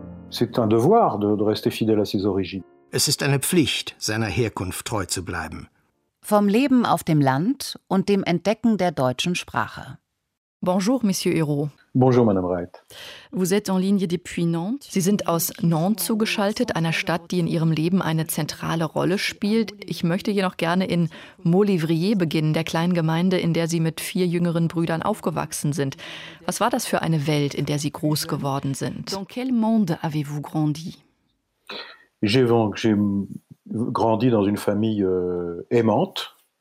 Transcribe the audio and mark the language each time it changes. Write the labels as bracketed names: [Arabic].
[French] C'est un devoir de rester fidèle à ses origines. [German] Es ist eine Pflicht, seiner Herkunft treu zu bleiben. Vom Leben auf dem Land und dem Entdecken der deutschen Sprache. [French] Bonjour, Monsieur Ayrault. Bonjour, Madame Reit. Vous êtes en ligne depuis Nantes. [German] Sie sind aus Nantes zugeschaltet, einer Stadt, die in Ihrem Leben eine zentrale Rolle spielt. Ich möchte jedoch gerne in Maulivrier beginnen, der kleinen Gemeinde, in der Sie mit 4 jüngeren Brüdern aufgewachsen sind. Was war das für eine Welt, in der Sie groß geworden sind? [French] Dans quel monde avez-vous grandi? J'ai grandi dans une famille aimante.